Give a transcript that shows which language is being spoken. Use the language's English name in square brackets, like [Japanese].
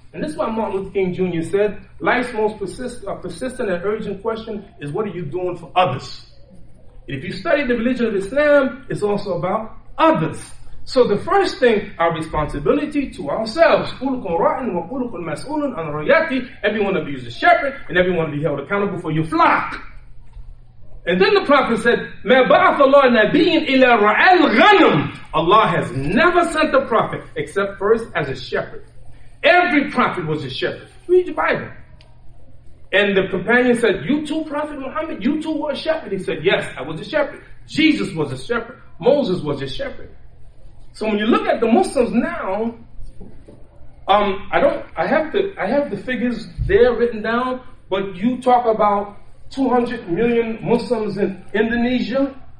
[English] And this is why Martin Luther King Jr. said, life's most persistent and urgent question is, what are you doing for others? And if you study the religion of Islam, it's also about others. So the first thing, our responsibility to ourselves, [Arabic] kulukum ra'in wa kulukum mas'ulun an ra'yati, [English] everyone of you is a shepherd, and everyone to be held accountable for your flock. And then the Prophet said, [Arabic] مَا بَعَثَ اللَّهُ نَبِيٍّ إِلَى رَعَى الْغَنَمِ. [English] Allah has never sent a prophet except first as a shepherd. Every prophet was a shepherd. Read your Bible. And the companion said, you too, Prophet Muhammad, you too were a shepherd. He said, yes, I was a shepherd. Jesus was a shepherd. Moses was a shepherd. So when you look at the Muslims now, I have the figures there written down, but you talk about 200 million Muslims in Indonesia.